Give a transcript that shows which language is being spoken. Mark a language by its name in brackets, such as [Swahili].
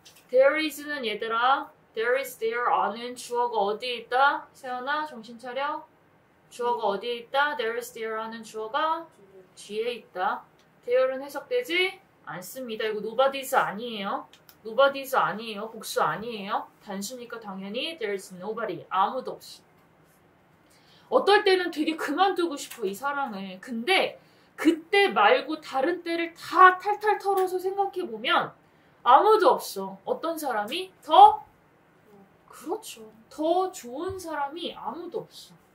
[Korean] There is는 얘들아. There is, there are는 주어가 어디에 있다? 세연아, 정신 차려. 주어가 어디에 있다? There is, there are는 주어가 뒤에 있다. There은 해석되지 않습니다. 이거 nobody's 아니에요. Nobody's 아니에요. 복수 아니에요. 단수니까 당연히 [English] there is nobody. [Korean] 아무도 없어. 어떨 때는 되게 그만두고 싶어, 이 사랑을. 근데 그때 말고 다른 때를 다 탈탈 털어서 생각해보면 아무도 없어. 어떤 사람이 더? 그렇죠. 더 좋은 사람이 아무도 없어.